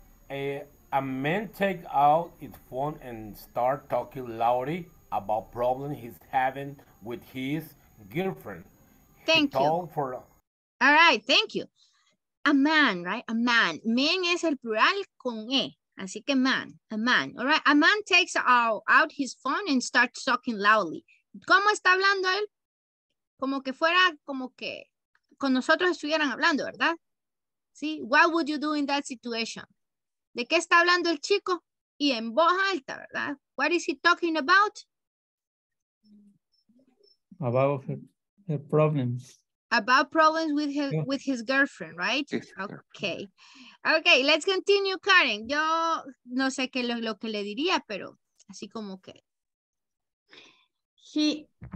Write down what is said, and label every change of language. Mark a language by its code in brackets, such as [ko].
[en] A man takes out his phone and starts talking loudly about problems he's having with his girlfriend. All right, thank you. A man, right? A man. [es] Men es el plural con E. Así que man. [en] A man. All right. A man takes out his phone and starts talking loudly. [es] ¿Cómo está hablando él? Como que fuera, como que con nosotros estuvieran hablando, ¿verdad? ¿Sí? [en] What would you do in that situation? [es] ¿De qué está hablando el chico? Y en voz alta, ¿verdad? [en] What is he talking about? about her problems. About problems with her, yeah, with his girlfriend, right? Yes, okay. Girlfriend. Okay, let's continue, Karen. [es] Yo no sé qué es lo que le diría, pero así como que.